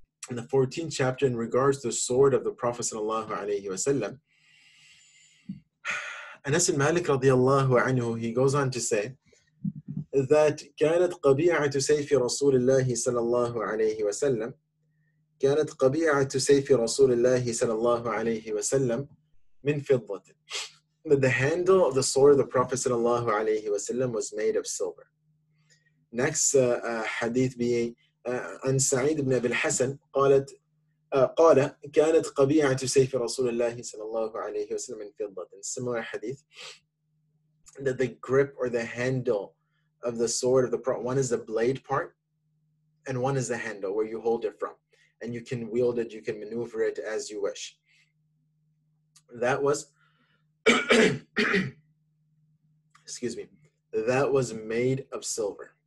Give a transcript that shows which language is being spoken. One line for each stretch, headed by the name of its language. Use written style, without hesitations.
English: In the 14th chapter, in regards to the sword of the Prophet sallallahu alayhi wa sallam, Anas ibn Malik radiallahu anhu, he goes on to say that
Arabic: كانت قبيعة سيف رسول الله صلى الله عليه وسلم كانت قبيعة سيف رسول الله صلى الله عليه وسلم من فضة.
English: That the handle of the sword of the Prophet
Arabic: صلى الله عليه وسلم
English: was made of silver. Next hadith being
Arabic: عن سعيد بن أبي الحسن قالت قال كانت قبيعة سيف رسول الله صلى الله عليه وسلم من فضة.
English: Similar hadith that the grip or the handle of the sword of the Prophet, one is the blade part and one is the handle where you hold it from and you can wield it, you can maneuver it as you wish. That was excuse me, that was made of silver.